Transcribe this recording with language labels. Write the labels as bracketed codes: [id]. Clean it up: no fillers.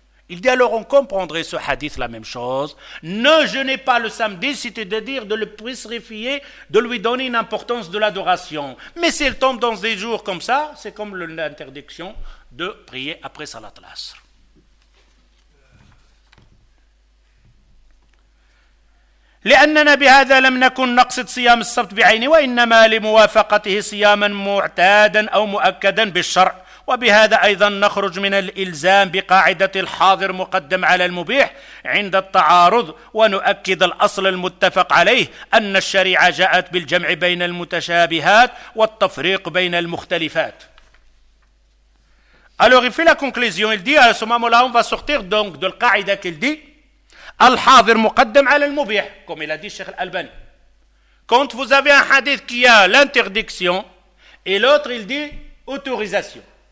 [fr] Il dit alors, on comprendrait ce hadith la même chose. Ne jeûnez pas le samedi, c'est-à-dire de le purifier, de lui donner une importance de l'adoration. Mais s'il tombe dans des jours comme ça, c'est comme l'interdiction de prier après Salat al-Asr. [ar] لأننا بهذا لم نكن نقصد صيام السبت بعينه وإنما لموافقته صياما معتادا أو مؤكدا بالشرع. وبهذا أيضا نخرج من الإلزام بقاعدة الحاضر مقدم على المبيح عند التعارض ونؤكد الأصل المتفق عليه أن الشريعة جاءت بالجمع بين المتشابهات والتفريق بين المختلفات. [fr] Alors il fait la conclusion, il dit à ce moment-là, on va sortir donc de la قاعدة qu'il dit, [ar] الحاضر مقدم على المبيح, [fr] comme il a dit Cheikh Al-Albani. Quand vous avez un hadith qui a l'interdiction, et l'autre il dit autorisation.